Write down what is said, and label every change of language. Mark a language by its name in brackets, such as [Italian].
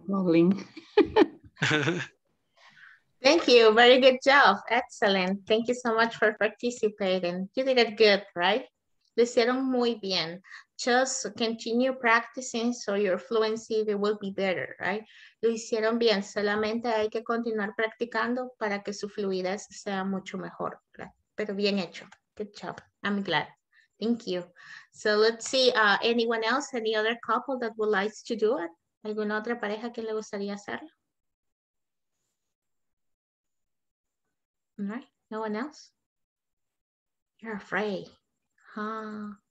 [English] calling. Thank you. Very good job. Excellent. Thank you so much for participating. You did it good, right? [Spanish] Lo hicieron muy bien. [English] Just continue practicing so your fluency will be better, right? [Spanish] Lo hicieron bien. Solamente hay que continuar practicando para que su fluidez sea mucho mejor. [English] Right? [Spanish] Pero bien hecho. [English] Good job. I'm glad. Thank you. So let's see, anyone else, any other couple that would like to do it? [Spanish] ¿Alguna otra pareja que le gustaría hacerlo? [English] All right, no one else? You're afraid, huh?